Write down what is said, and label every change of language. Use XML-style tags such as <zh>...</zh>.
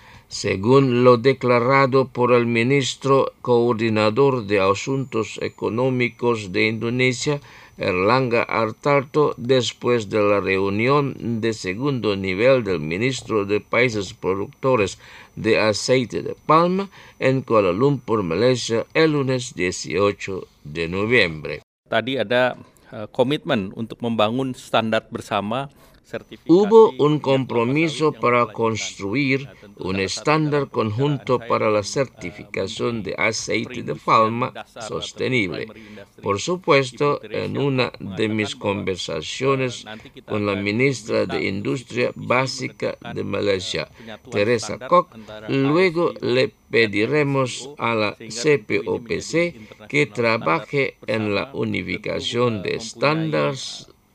<es>Según lo declarado por el ministro coordinador de Asuntos Económicos de Indonesia, Erlangga Hartarto, después de la reunión de segundo nivel del ministro de Países Productores de Aceite de Palma en Kuala Lumpur, Malasia, el lunes 18 de noviembre.</es> <id>Tadi ada komitmen untuk membangun standar bersama.</id> <es>Hubo un compromiso para construir un estándar conjunto para la certificación de aceite de palma sostenible. Por supuesto, en una de mis conversaciones con la ministra de Industria Básica de Malasia, Teresa Kok, luego le pediremos a la CPOPC que trabaje en la unificación de estándares</es>